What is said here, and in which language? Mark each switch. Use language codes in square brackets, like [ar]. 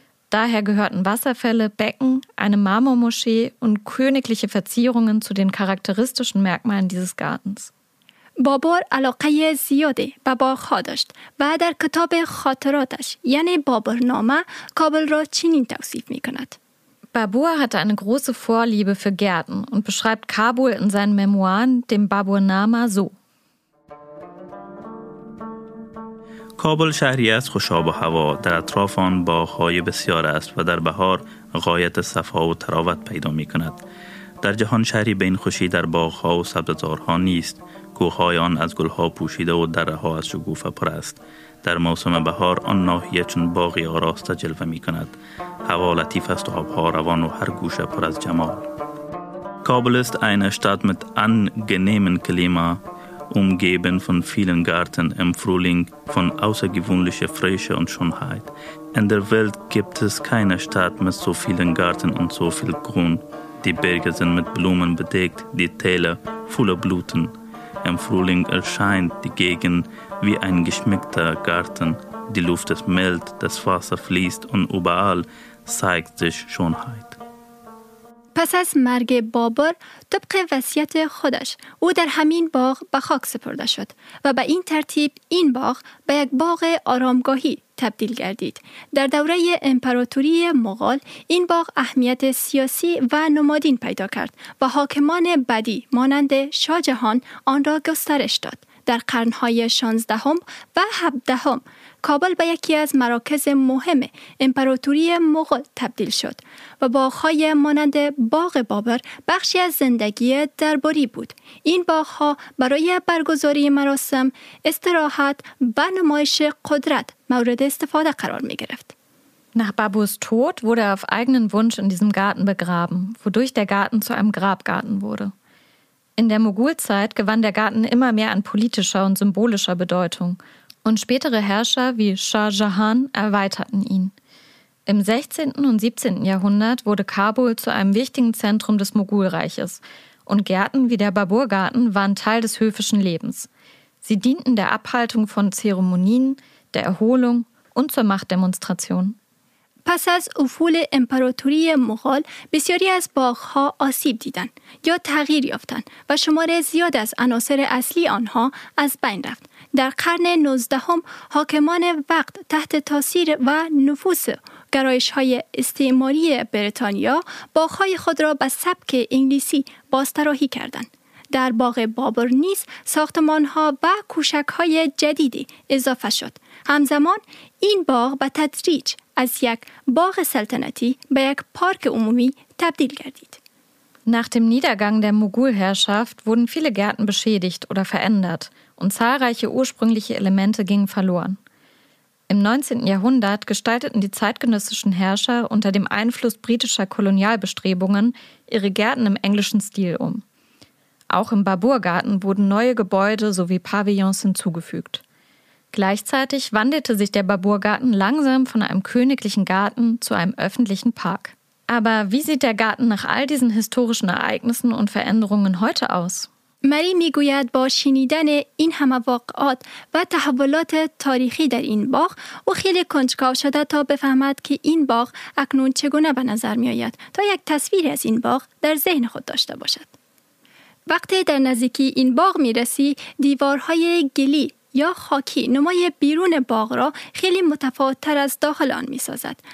[de] Daher gehörten Wasserfälle, Becken, eine Marmormoschee und königliche Verzierungen zu den charakteristischen Merkmalen dieses Gartens. [fa] بابر علاقه زیادی به باغ‌ها داشت و در کتاب خاطراتش یعنی بابرنامه کابل را چنین توصیف می‌کند. [de] Babur hatte eine große Vorliebe für Gärten und beschreibt Kabul in seinen Memoiren, dem Baburnama, so. [fa] کابل شهری است خوش‌آب و هوا، در اطراف آن باغ‌های بسیار است و در بهار غایت صفا و تراوت پیدا می‌کند. در جهان شهری به این خوشی در باغ‌ها و سبزه‌زارها نیست. کوه‌های آن از گل‌ها پوشیده و دره‌ها از شکوفه پر است. در موسم بهار آن ناحیه چون باغی آراسته جلوه می‌کند. هوا لطیف است و آب‌ها روان و هر گوشه پر از جمال. کابل است [de] eine Stadt mit angenehmem Klima, umgeben von vielen Gärten im Frühling, von außergewöhnlicher Frische und Schönheit. In der Welt gibt es keine Stadt mit so vielen Gärten und so viel Grün. Die Berge sind mit Blumen bedeckt, die Täler voller Blüten. Im Frühling erscheint die Gegend wie ein geschmückter Garten. Die Luft ist mild, das Wasser fließt und überall zeigt sich Schönheit. [fa] پس از مرگ بابر، طبق وصیت خودش، او در همین باغ به خاک سپرده شد و به این ترتیب این باغ به یک باغ آرامگاهی تبدیل گردید. در دوره امپراتوری مغال، این باغ اهمیت سیاسی و نمادین پیدا کرد و حاکمان بعدی مانند شاه جهان آن را گسترش داد. در قرن‌های 16 و 17، کابل به یکی از مراکز مهم امپراتوری مغل تبدیل شد و باغ‌های مانند باغ بابر بخشی از زندگی درباری بود. این باغ‌ها برای برگزاری مراسم، استراحت و نمایش قدرت مورد استفاده قرار می‌گرفت. [de] Nach Babus Tod wurde er auf eigenen Wunsch in diesem Garten begraben, wodurch der Garten zu einem Grabgarten wurde. In der Mogulzeit gewann der Garten immer mehr an politischer und symbolischer Bedeutung und spätere Herrscher wie Shah Jahan erweiterten ihn. Im 16. und 17. Jahrhundert wurde Kabul zu einem wichtigen Zentrum des Mogulreiches und Gärten wie der Baburgarten waren Teil des höfischen Lebens. Sie dienten der Abhaltung von Zeremonien, der Erholung und zur Machtdemonstration. [fa] پس از افول امپراتوری مغال بسیاری از باغ‌ها آسیب دیدند یا تغییر یافتند و شمار زیاد از عناصر اصلی آنها از بین رفت. در قرن 19 حاکمان وقت تحت تاثیر و نفوذ گرایش‌های استعماری بریتانیا باغ‌های خود را به سبک انگلیسی بازطراحی کردند. در باغ بابر نیز ساختمان‌ها و کوشک‌های جدیدی اضافه شد. همزمان این باغ به تدریج از یک باغ سلطنتی به یک پارک عمومی تبدیل گردید. [de] Nach dem Niedergang der Mogul-Herrschaft wurden viele Gärten beschädigt oder verändert und zahlreiche ursprüngliche Elemente gingen verloren. Im 19. Jahrhundert gestalteten die zeitgenössischen Herrscher unter dem Einfluss britischer Kolonialbestrebungen ihre Gärten im englischen Stil um. Auch im Baburgarten wurden neue Gebäude sowie Pavillons hinzugefügt. Gleichzeitig wandelte sich der Baburgarten langsam von einem königlichen Garten zu einem öffentlichen Park. Aber wie sieht der Garten nach all diesen historischen Ereignissen und Veränderungen heute aus? [fa] مری میگوید با شنیدن این همه واقعات و تحولات تاریخی در این باغ او خیلی کنجکاو شده تا بفهمد که این باغ اکنون چگونه به نظر میآید تا یک تصویر از این باغ در ذهن خود داشته باشد. وقتی در نزدیکی این باغ میرسی دیوارهای گلی یا خاکی نمای بیرون باغ را خیلی متفاوت تر از داخل آن میسازد.